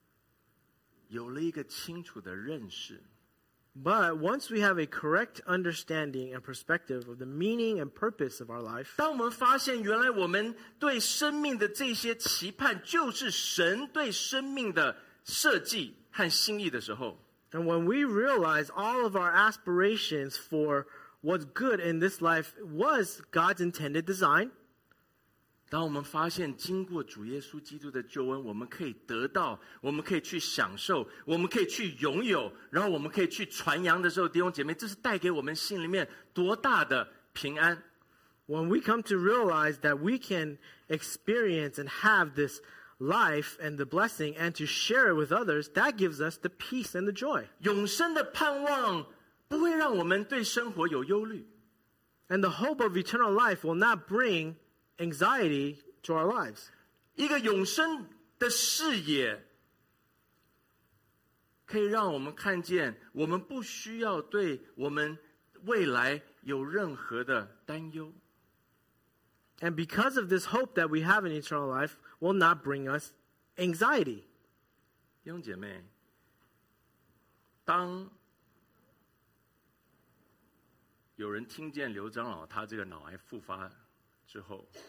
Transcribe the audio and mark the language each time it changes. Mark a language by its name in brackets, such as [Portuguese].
[Chinese] 但是当我们对生命的价值和意义有了一个清楚的认识, [English] But once we have a correct understanding and perspective of the meaning and purpose of our life, [Chinese] 当我们发现原来我们对生命的这些期盼就是神对生命的设计和心意的时候, [English] And when we realize all of our aspirations for what's good in this life was God's intended design. [Chinese] 当我们发现经过主耶稣基督的救恩, 我们可以得到, 我们可以去享受, 我们可以去拥有, 然后我们可以去传扬的时候, 弟兄姐妹, 这是带给我们心里面多大的平安。 [English] When we come to realize that we can experience and have this life and the blessing and to share it with others, that gives us the peace and the joy. [Chinese] 永生的盼望, [English] And the hope of eternal life will not bring anxiety to our lives. [Chinese] 一个永生的视野, 可以让我们看见我们不需要对我们未来有任何的担忧。 [English] And because of this hope that we have in eternal life will not bring us anxiety. [Chinese] 弟兄姐妹, 当有人听见刘长老他这个脑癌复发之后,